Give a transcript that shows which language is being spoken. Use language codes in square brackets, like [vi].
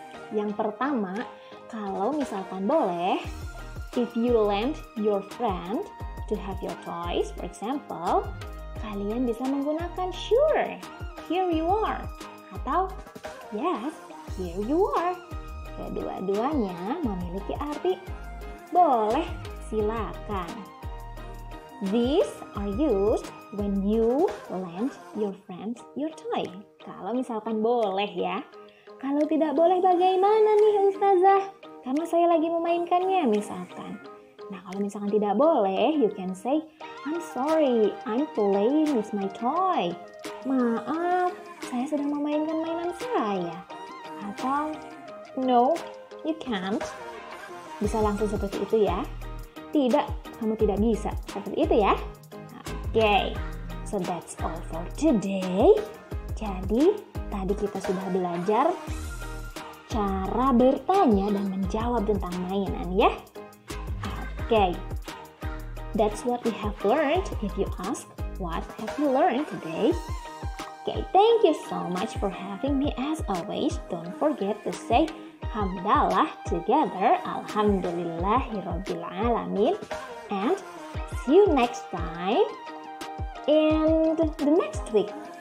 [id] Yang pertama, kalau misalkan boleh, [en] if you lend your friend to have your toys, for example, [id] kalian bisa menggunakan [en] sure, here you are, [id] atau [en] yes, here you are. [id] Kedua-duanya memiliki arti boleh, silakan. [en] These are used when you lend your friends your toy. [id] Kalau misalkan boleh ya. Kalau tidak boleh bagaimana nih Ustazah? Karena saya lagi memainkannya misalkan. Nah, kalau misalkan tidak boleh, [en] you can say, I'm sorry, I'm playing with my toy. [id] Maaf, saya sedang memainkan mainan saya. Atau, [en] no, you can't. [id] Bisa langsung seperti itu ya. Tidak, kamu tidak bisa. Seperti itu ya. [en] Okay, so that's all for today. [id] Jadi, tadi kita sudah belajar cara bertanya dan menjawab tentang mainan ya. [en] Okay, that's what we have learned. If you ask, what have you learned today? Okay, thank you so much for having me. As always, don't forget to say hamdalah together. [ar] Alhamdulillahirabbil alamin. [en] And see you next time and the next week.